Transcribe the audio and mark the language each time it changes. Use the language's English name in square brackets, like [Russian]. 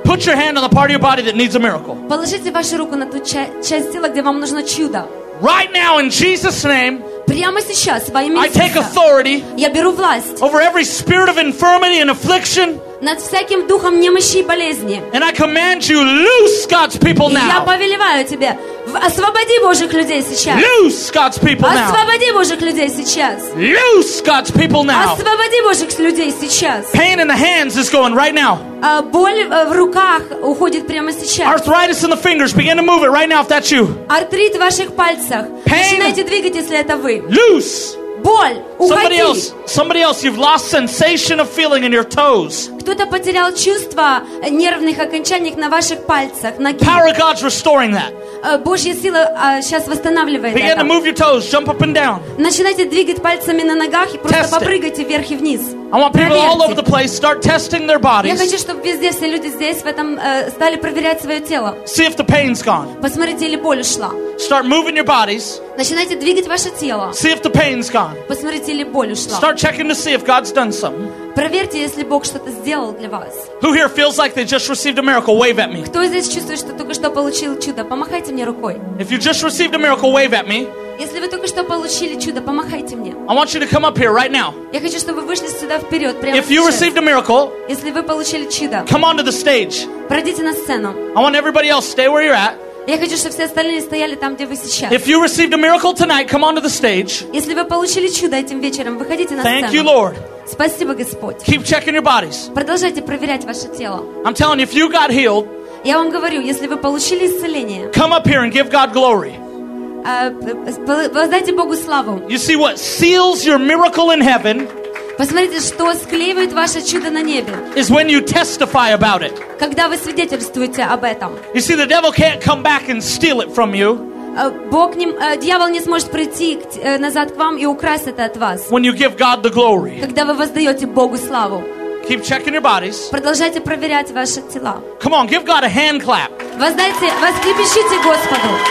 [English] Put your hand on the part of your body that needs a miracle. [Russian] Положите вашу руку на ту часть тела, где вам нужно чудо. [English] Right now, in Jesus' name. [Russian] Прямо сейчас во имя Иисуса. [English] I take authority. [Russian] Я беру власть. [English] Over every spirit of infirmity and affliction. [Russian] Над всяким духом немощи и болезни. [English] And I command you, loose God's people now. [Russian] Я повелеваю тебе, освободи Божьих людей сейчас. [English] Loose God's people now. [Russian] Освободи Божьих людей сейчас. [English] Loose God's people now. [Russian] Освободи Божьих людей сейчас. [English] Pain in the hands is going right now. [Russian] Боль в руках уходит прямо сейчас. [English] Arthritis in the fingers, begin to move it right now if that's you. [Russian] Артрит в ваших пальцах. [English] Pain. [Russian] Начинайте двигать, если это вы. [English] Loose. [Russian] Боль, уходи. [English] Somebody else, you've lost sensation of feeling in your toes. [Russian] Кто-то потерял чувство нервных окончаний на ваших пальцах, ноги. [English] Power of God's restoring that. [Russian] Божья сила сейчас восстанавливает [English] Begin [Russian] это. [English] Begin to move your toes, jump up and down. [Russian] Начинайте двигать пальцами на ногах и просто попрыгайте вверх и вниз. [English] I want people all over the place start testing their bodies. [Russian] Я хочу, чтобы везде все люди здесь в этом стали проверять свое тело. [English] See if the pain's gone. [Russian] Посмотрите, или боль ушла. [English] Start moving your bodies. [Russian] Начинайте двигать ваше тело. [English] See if the pain's gone. [Russian] Посмотрите, или боль ушла. [English] Start checking to see if God's done something. [Russian] Проверьте, если Бог что-то сделал для вас. [English] Who here feels like they just received a miracle? Wave at me. [Russian] Кто здесь чувствует, что только что получил чудо? Помахайте мне рукой. [English] If you just received a miracle, wave at me. [Russian] Если вы только что получили чудо, помахайте мне. [English] I want you to come up here right now. [Russian] Я хочу, чтобы вы вышли сюда вперед прямо сейчас. [English] If you received a miracle, [Russian] если вы получили чудо, [English] come onto the stage. [Russian] Пройдите на сцену. [English] I want everybody else stay where you're at. [Russian] Я хочу, чтобы все остальные стояли там, где вы сейчас. [English] If you received a miracle tonight, come onto the stage. [Russian] Если вы получили чудо этим вечером, выходите на сцену. [English] Thank you, Lord. [Russian] Спасибо, Господь. [English] Keep checking your bodies. [Russian] Продолжайте проверять ваше тело. [English] I'm telling you, if you got healed, [Russian] я вам говорю, если вы получили исцеление, [English] come up here and give God glory. [Russian] Воздайте Богу славу. [English] You see what seals your miracle in heaven? [Russian] Посмотрите, что склеивает ваше чудо на небе. [English] Is when you testify about it. [Russian] Когда вы свидетельствуете об этом. [English] You see, the devil can't come back and steal it from you. [Russian] Бог не, дьявол не сможет прийти к, назад к вам и украсть это от вас. [English] When you give God the glory. [Russian] Когда вы воздаете Богу славу. [English] Keep checking your bodies. [Russian] Продолжайте проверять ваши тела. [English] Come on, give God a hand clap. [Russian] Воздайте, восклепещите Господу.